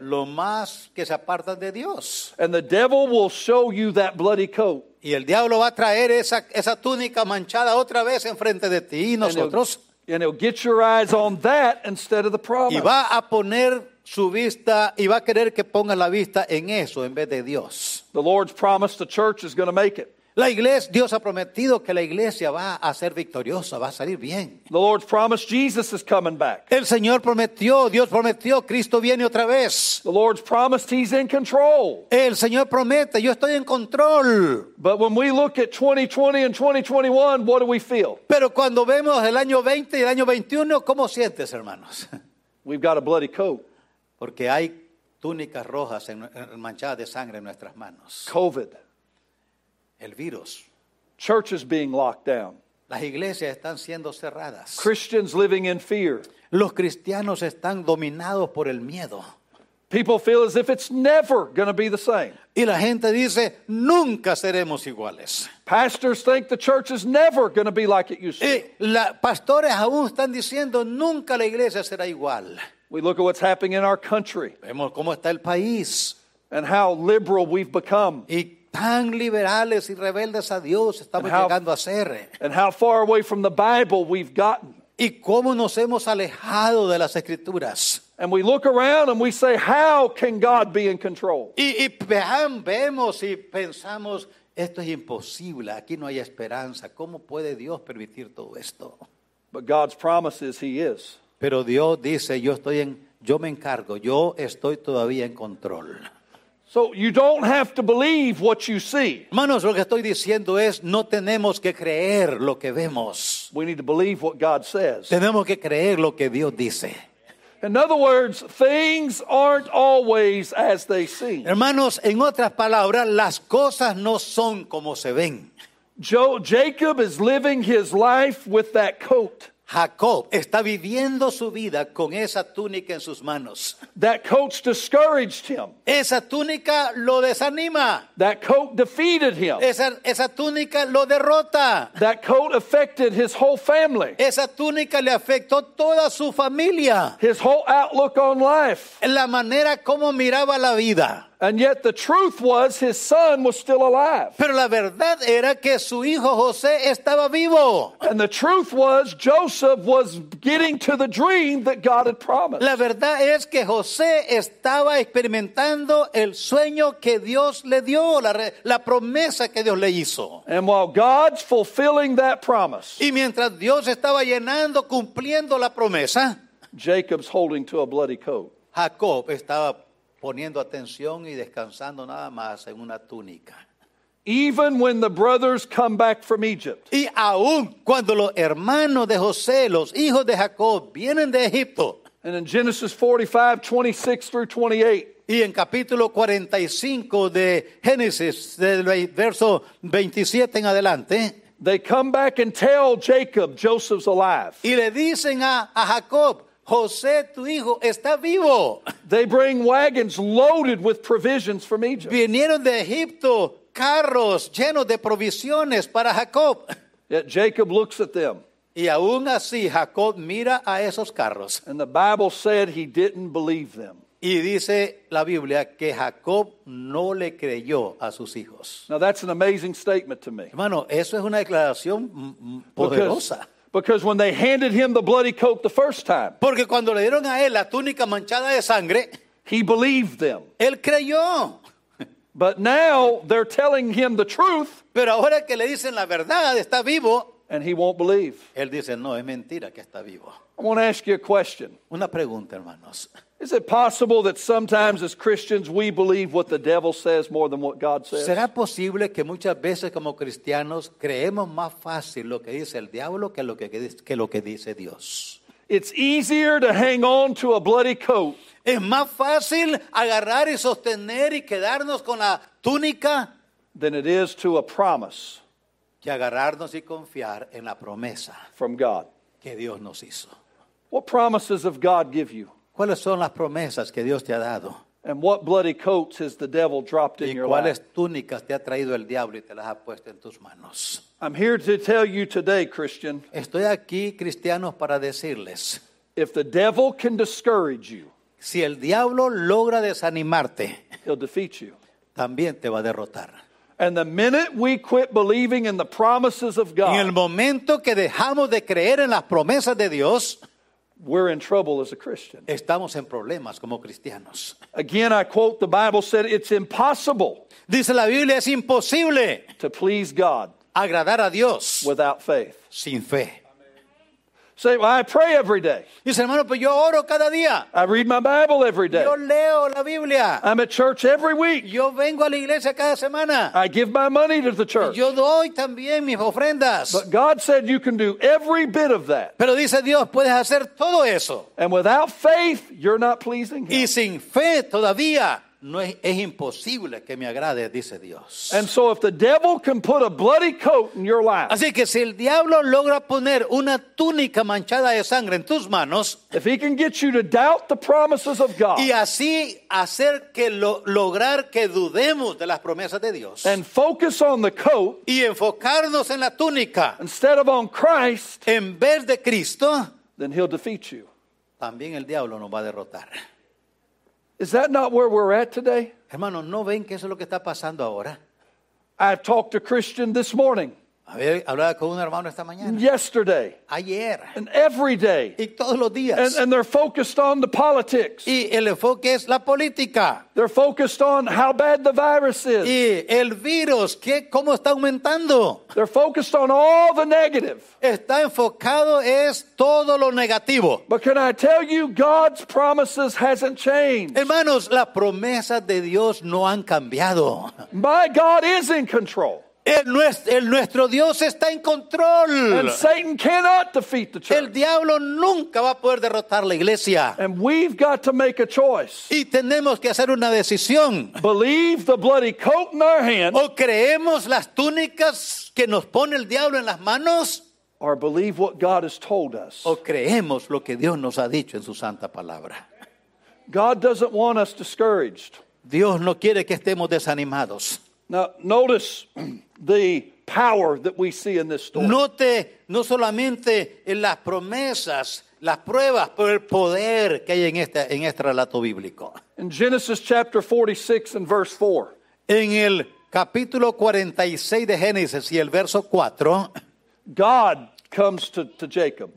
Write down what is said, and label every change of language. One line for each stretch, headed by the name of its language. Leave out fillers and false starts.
Spanish: Lo más que se apartan de Dios.
English: And the devil will show you that bloody coat.
Spanish: Y el diablo va a traer esa túnica manchada otra vez en frente de ti y nosotros.
English: And he'll get your eyes on that instead of the promise.
Spanish: Y va a poner su vista y va a querer que pongas la vista en eso en vez de Dios.
English: The Lord's promised the church is going to make it.
Spanish: La iglesia, Dios ha prometido que la iglesia va a ser victoriosa, va a salir bien.
English: The Lord's promised Jesus is coming back.
Spanish: El Señor prometió, Dios prometió, Cristo viene otra vez.
English: The Lord's promised he's in control.
Spanish: El Señor promete, yo estoy en control.
English: But when we look at 2020 and 2021, what do we feel?
Spanish: Pero cuando vemos el año 20 y el año 21, ¿cómo sientes, hermanos?
English: We've got a bloody coat.
Spanish: Porque hay túnicas rojas manchadas de sangre en nuestras manos.
English: COVID.
Spanish: El virus.
English: Churches being locked down.
Spanish: Las iglesias están siendo cerradas.
English: Christians living in fear.
Spanish: Los cristianos están dominados por el miedo.
English: People feel as if it's never going to be the same.
Spanish: Y la gente dice, nunca seremos iguales.
English: Pastors think the church is never going to be like it used to.
Spanish: Y los pastores aún están diciendo, nunca la iglesia será igual.
English: We look at what's happening in our country.
Spanish: Vemos cómo está el país.
English: And how liberal we've become.
Spanish: Y tan liberales y rebeldes a Dios estamos llegando a ser.
English: And how far away from the Bible we've gotten.
Spanish: Y cómo nos hemos alejado de las Escrituras.
English: And we look around and we say, how can God be in control?
Spanish: Y vemos y pensamos, esto es imposible, aquí no hay esperanza. ¿Cómo puede Dios permitir todo esto?
English: But God's promise is he is.
Spanish: Pero Dios dice, yo me encargo, yo estoy todavía en control.
English: So you don't have to believe what you see.
Spanish: Manos, lo que estoy diciendo es, no tenemos que creer lo que vemos.
English: We need to believe what God says.
Spanish: Tenemos que creer lo que Dios dice.
English: In other words, things aren't always as they seem.
Spanish: Hermanos, en otras palabras, las cosas no son como se ven.
English: Jacob is living his life with that coat.
Spanish: Jacob está viviendo su vida con esa túnica en sus manos.
English: That coat discouraged him.
Spanish: Esa túnica lo desanima.
English: That coat defeated him.
Spanish: Esa túnica lo derrota.
English: That coat affected his whole family.
Spanish: Esa túnica le afectó toda su familia.
English: His whole outlook on life.
Spanish: La manera como miraba la vida.
English: And yet the truth was his son was still alive.
Spanish: Pero la verdad era que su hijo José estaba vivo.
English: And the truth was Joseph was getting to the dream that God had promised.
Spanish: La verdad es que José estaba experimentando el sueño que Dios le dio, la promesa que Dios le hizo.
English: And while God's fulfilling that promise.
Spanish: Y mientras Dios estaba llenando, cumpliendo la promesa,
English: Jacob's holding to a bloody coat.
Spanish: Jacob estaba poniendo atención y descansando nada más en una túnica.
English: Even when the brothers come back from Egypt.
Spanish: Y aún cuando los hermanos de José, los hijos de Jacob, vienen de Egipto.
English: And in Genesis 45, 26 through 28.
Spanish: Y en capítulo 45 de Génesis, del verso 27 en adelante.
English: They come back and tell Jacob, Joseph's alive.
Spanish: Y le dicen a Jacob, José, tu hijo, está vivo.
English: They bring wagons loaded with provisions from Egypt.
Spanish: Vinieron de Egipto carros llenos de provisiones para Jacob.
English: Yet Jacob looks at them.
Spanish: Y aún así, Jacob mira a esos carros.
English: And the Bible said he didn't believe them.
Spanish: Y dice la Biblia que Jacob no le creyó a sus hijos.
English: Now that's an amazing statement to me.
Spanish: Hermano, eso es una declaración poderosa.
English: Because when they handed him the bloody coat the first time.
Spanish: Porque cuando le dieron a él la túnica manchada de sangre.
English: He believed them.
Spanish: Él creyó.
English: But now they're telling him the truth.
Spanish: Pero ahora que le dicen la verdad, está vivo.
English: And he won't believe.
Spanish: Él dice, no, es mentira que está vivo.
English: I want to ask you a question.
Spanish: Una pregunta, hermanos.
English: Is it possible that sometimes as Christians we believe what the devil says more than what God says?
Spanish: ¿Será posible que muchas veces como cristianos creemos más fácil lo que dice el diablo que lo que dice Dios?
English: It's easier to hang on to a bloody coat.
Spanish: Es más fácil agarrar y sostener y quedarnos con la túnica
English: than it is to a promise.
Spanish: que agarrarnos y confiar en la promesa
English: from God.
Spanish: Que Dios nos hizo.
English: What promises of God give you?
Spanish: ¿Cuáles son las promesas que Dios te ha dado?
English: And what bloody coats has the devil dropped in your life?
Spanish: ¿Y cuáles túnicas te ha traído el diablo y te las ha puesto en tus manos?
English: I'm here to tell you today, Christian.
Spanish: Estoy aquí, cristianos, para decirles.
English: If the devil can discourage you,
Spanish: si el diablo logra desanimarte,
English: he'll defeat you.
Spanish: También te va a derrotar.
English: And the minute we quit believing in the promises of God,
Spanish: en el momento que dejamos de creer en las promesas de Dios,
English: we're in trouble as a Christian.
Spanish: Estamos en problemas como cristianos.
English: Again, I quote, the Bible said it's impossible.
Spanish: Dice la Biblia, es imposible.
English: To please God.
Spanish: Agradar a Dios.
English: Without faith.
Spanish: Sin fe.
English: Say, well, I pray every day.
Spanish: Dice, hermano, pues yo oro cada día.
English: I read my Bible every day.
Spanish: Yo leo la Biblia.
English: I'm at church every week.
Spanish: Yo vengo a la iglesia cada semana.
English: I give my money to the church.
Spanish: Yo doy también mis ofrendas.
English: But God said you can do every bit of that.
Spanish: Pero dice Dios, puedes hacer todo eso.
English: And without faith, you're not pleasing Him.
Spanish: Y sin fe todavía. No es, es imposible que me agrade, dice Dios.
English: And so if the devil can put a bloody coat in your life,
Spanish: así que si el diablo logra poner una túnica manchada de sangre en tus manos,
English: if he can get you to doubt the promises of God,
Spanish: y así hacer que lograr que dudemos de las promesas de Dios,
English: and focus on the coat,
Spanish: y enfocarnos en la túnica,
English: instead of on Christ,
Spanish: en vez de Cristo,
English: then he'll defeat you.
Spanish: También el diablo nos va a derrotar.
English: Is that not where we're at today?
Spanish: Hermano, ¿no ven que eso es lo que está pasando ahora?
English: I talked to Christian this morning.
Spanish: Hablaba con un hermano esta mañana.
English: Yesterday.
Spanish: Ayer.
English: And every day.
Spanish: Y todos los días.
English: And they're focused on the politics.
Spanish: Y el enfoque es la política.
English: They're focused on how bad the virus is.
Spanish: Y el virus, ¿qué, cómo está aumentando?
English: They're focused on all the negative.
Spanish: Está enfocado es todo lo negativo.
English: But can I tell you, God's promises hasn't changed.
Spanish: Hermanos, las promesas de Dios no han cambiado.
English: My God is in control.
Spanish: Nuestro Dios está en control.
English: And Satan cannot defeat the church.
Spanish: El diablo nunca va a poder derrotar la iglesia.
English: And we've got to make a choice.
Spanish: Y tenemos que hacer una decisión.
English: Believe the bloody coat in our hand,
Spanish: o creemos las túnicas que nos pone el diablo en las manos.
English: Or believe what God has told us.
Spanish: O creemos lo que Dios nos ha dicho en su santa palabra.
English: God doesn't want us discouraged.
Spanish: Dios no quiere que estemos desanimados.
English: Now, notice the power that we see in this story.
Spanish: Note no solamente en las promesas, las pruebas, pero el poder que hay en este relato bíblico.
English: In Genesis chapter 46 and verse 4.
Spanish: En el capítulo 46 de Génesis y el verso 4.
English: God comes to Jacob.